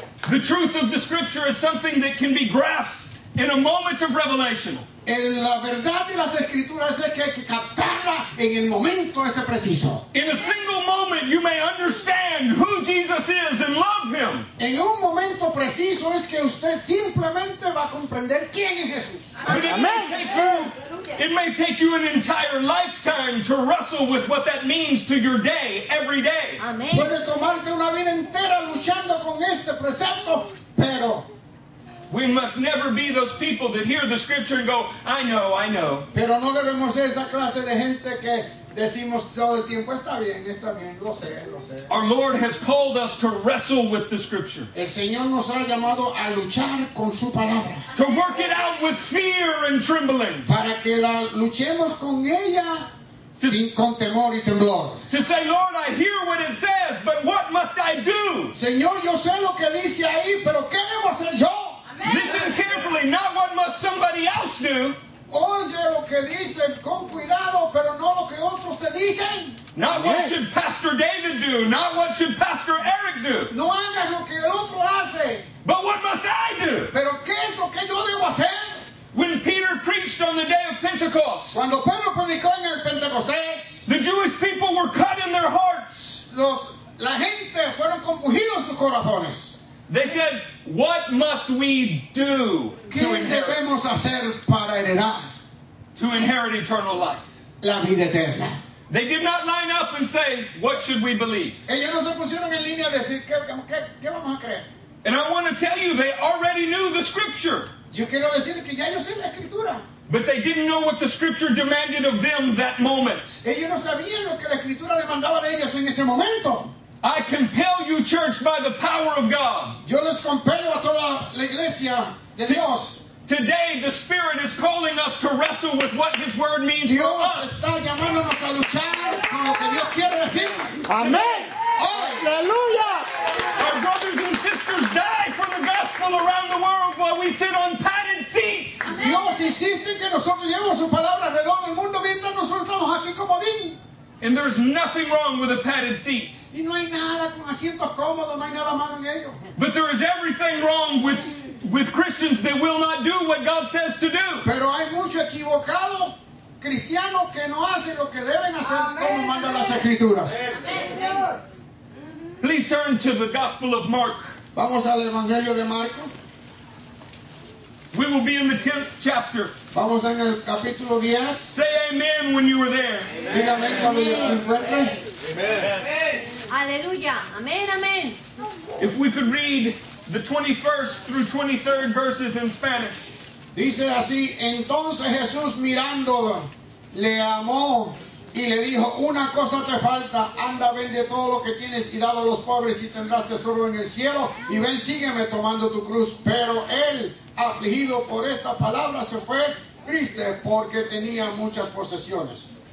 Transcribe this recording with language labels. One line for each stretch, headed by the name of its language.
English: The truth of the Scripture is something that can be grasped in a moment of revelation.
Spanish: En la verdad de las escrituras es que hay que captarla en el momento ese preciso.
English: In a single moment you may understand who Jesus is and love him.
Spanish: En un momento preciso es que usted simplemente va a comprender quién es Jesús.
English: But it may take you an entire lifetime to wrestle with what that means to your day, every day.
Spanish: Amén. Puede tomarte una vida entera luchando con este precepto, pero
English: we must never be those people that hear the scripture and go, I know.
Spanish: Pero no debemos ser esa clase de gente que decimos todo el tiempo, está bien, lo sé.
English: Our Lord has called us to wrestle with the scripture.
Spanish: El Señor nos ha llamado a luchar con su palabra.
English: To work it out with fear and trembling.
Spanish: Para que la luchemos con ella. Con temor y temblor.
English: To say, Lord, I hear what it says, but what must I do?
Spanish: Señor, yo sé lo que dice ahí, pero ¿qué debo hacer yo?
English: Listen carefully, not what must somebody else do.
Spanish: Oye lo que dicen con cuidado, pero no lo que otros te dicen.
English: Not what should Pastor David do, not what should Pastor Eric do.
Spanish: No hagas lo que el otro hace.
English: But what must I do?
Spanish: Pero ¿qué es lo que yo debo hacer?
English: When Peter preached on the day of Pentecost.
Spanish: Cuando Pedro predicó en el Pentecostés.
English: The Jewish people were cut in their hearts.
Spanish: La gente fueron compungidos sus corazones.
English: They said, what must we do to inherit?
Spanish: ¿Qué debemos hacer para heredar?
English: To inherit eternal life.
Spanish: La vida eterna.
English: They did not line up and say, what should we believe?
Spanish: Ellos no se pusieron en línea a decir, ¿qué vamos a creer?
English: And I want to tell you, they already knew the scripture.
Spanish: Yo quiero decirles que ya yo sé la escritura.
English: But they didn't know what the scripture demanded of them that moment.
Spanish: Ellos no sabían lo que la escritura demandaba de ellos en ese momento.
English: I compel you, church, by the power of God.
Spanish: Yo les compelo a toda la iglesia de Dios.
English: Today, the Spirit is calling us to wrestle with what His Word means
Spanish: Dios
English: for us.
Spanish: Dios está llamándonos a luchar con lo que Dios quiere decirnos. Amén. Aleluya.
English: Our brothers and sisters die for the gospel around the world while we sit on padded seats.
Spanish: Dios insiste que nosotros llevemos su palabra alrededor del mundo mientras nosotros estamos aquí como din.
English: And there's nothing wrong with a padded seat.
Spanish: Y no hay nada con asientos cómodos, no hay nada malo en ello.
English: But there is everything wrong with Christians that will not do what God says to do.
Spanish: Pero hay mucho equivocado cristiano que no hace lo que deben hacer. Amén. Como mandan las escrituras.
English: Please turn to the Gospel of Mark.
Spanish: Vamos al Evangelio de Marco.
English: We will be in the 10th chapter.
Spanish: Vamos en el capítulo 10.
English: Say amen when you were there.
Spanish: Amen. Diga amen cuando yo te encuentre. Amen. Aleluya. Amen, amen.
English: If we could read the 21st through 23rd verses in Spanish.
Spanish: Dice así, entonces Jesús mirándolo, le amó y le dijo, una cosa te falta, anda, vende todo lo que tienes y dalo a los pobres y tendrás tesoro en el cielo y ven, sígueme tomando tu cruz. Pero él, afligido por esta palabra, se fue triste porque tenía muchas posesiones.